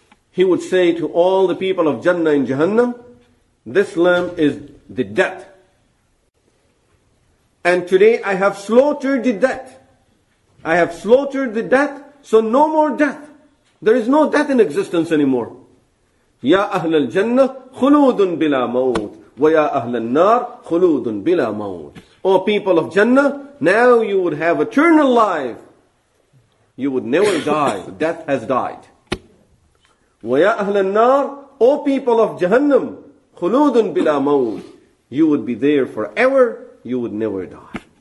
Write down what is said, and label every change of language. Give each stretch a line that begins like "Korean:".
English: He would say to all the people of Jannah and Jahannam, this lamb is the death. And today I have slaughtered the death. I have slaughtered the death, so no more death. There is no death in existence anymore.
Arabic: Ya أهل الجنة خلودٌ بلا موت ويا أهل النار خلودٌ بلا موت.
English: O people of Jannah, now you would have eternal life. You would never die. Death has died.
Arabic: ويا أهل النار,
English: O people of Jahannam,
Arabic: خلودٌ بلا موت.
English: You would be there forever. You would never die.